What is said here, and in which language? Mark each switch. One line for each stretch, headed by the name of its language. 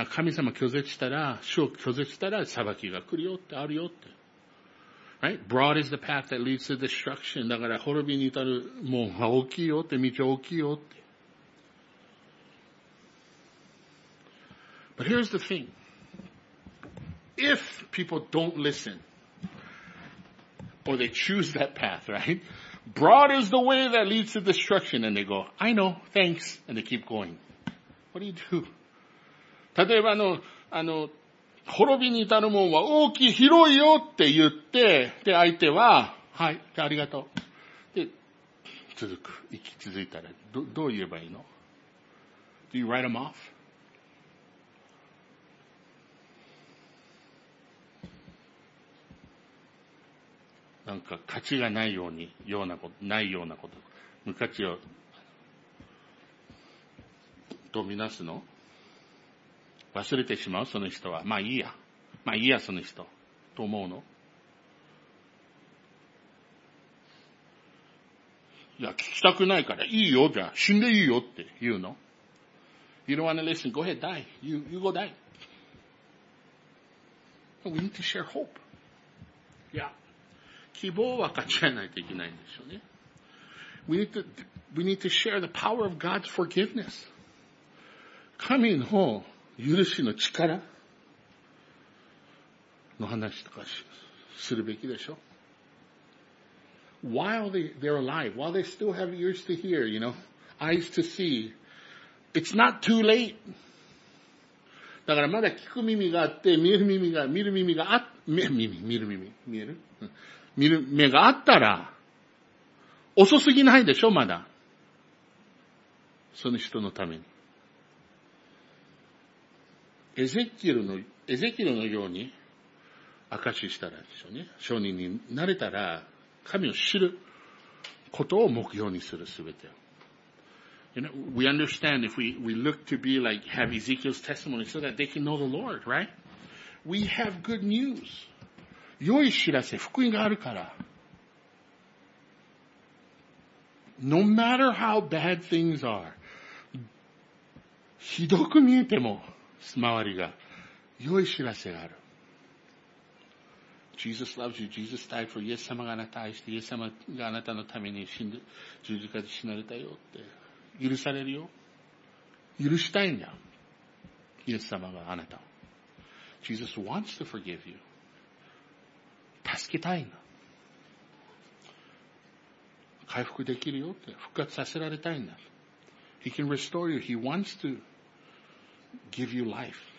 Japanese: 神様拒絶したら、主を拒絶したら裁きが来るよって、あるよって。
English: Right? Broad is the path that leads to destruction.
Japanese: だから滅びに至る、もう大きいよって、道大きいよって。
English: But here's the thing. If people don't listen, or they choose that path, right? Broad is the way that leads to destruction. And they go, I know, thanks. And they keep going. What do you do?
Japanese: 例えば滅びに至るもんは大きい、広いよって言って、で、相手は、はい、ありがとう。で、続く。行き続いたら、どう言えばいいの？
English: Do you write them off?
Japanese: なんか価値がないように、ようなこと、ないようなこと。無価値を、と見なすの？忘れてしまうその人は。まあいいや。まあいいや、その人。と思うの？いや、聞きたくないからいいよ、じゃあ死んでいいよって言うの？
English: You don't want to listen. Go ahead, die. You go die. But we need to share hope. Yeah.
Japanese: 希望は分かち合わないといけないんでしょうね。
English: We need to share the power of God's forgiveness.
Japanese: 神の許しの力の話とかするべきでしょ。
English: while they're alive, while they still have ears to hear, you know, eyes to see, it's not too late.
Japanese: だからまだ聞く耳があって、見る目があったら、遅すぎないでしょ、まだ。その人のために。エゼキエルのように、証したらでしょうね。証人になれたら、神を知ることを目標にする、すべてを。
English: You know, we understand if we look to be like, have Ezekiel's testimony so that they can know the Lord, right? We have good news.
Japanese: 良い知らせ、福音があるから。
English: No matter how bad things are,
Japanese: ひどく見えても、周りが、良い知らせがある。
English: Jesus loves you. Jesus died for you.
Japanese: イエス様があなたを愛して、イエス様があなたのために死んで、十字架で死なれたよって。許されるよ。許したいんだ。イエス様があなたを。
English: Jesus wants to forgive you.
Japanese: 助けたいんだ。回復できるよって。復活させられたいんだ。
English: He can restore you. He wants to give you life.